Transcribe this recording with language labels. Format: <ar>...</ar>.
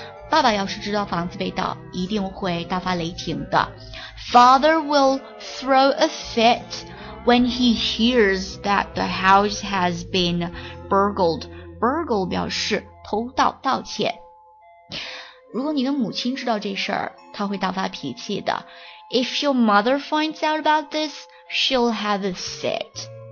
<zh>爸爸要是知道房子被盗，一定会大发雷霆的。</zh> <en>Father will throw a fit when he hears that the house has been burgled.</en> <zh>Burgle 表示偷盗、盗窃。如果你的母亲知道这事儿，他会大发脾气的。</zh> <en>If your mother finds out about this, she'll have a fit.</en>